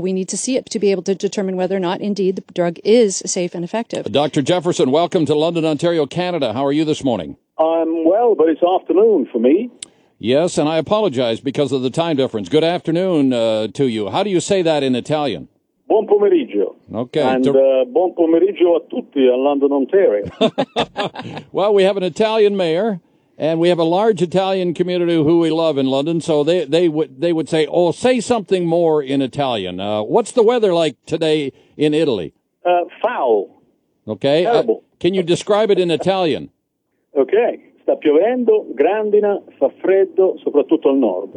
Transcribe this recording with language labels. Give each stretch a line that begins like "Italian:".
English: We need to see it to be able to determine whether or not, indeed, the drug is safe and effective. Dr. Jefferson, welcome to London, Ontario, Canada. How are you this morning? I'm well, but it's afternoon for me. Yes, and I apologize because of the time difference. Good afternoon to you. How do you say that in Italian?
Italian: Buon pomeriggio.
English: Okay.
Italian: And buon pomeriggio a tutti a London, Ontario.
English: Well, we have an Italian mayor, and we have a large Italian community who we love in London, so they would say, oh, say something more in Italian. What's the weather like today in Italy? Foul. Okay. Terrible. Can you describe it in Italian? Okay.
Italian: Sta piovendo, grandina, fa freddo, soprattutto al nord.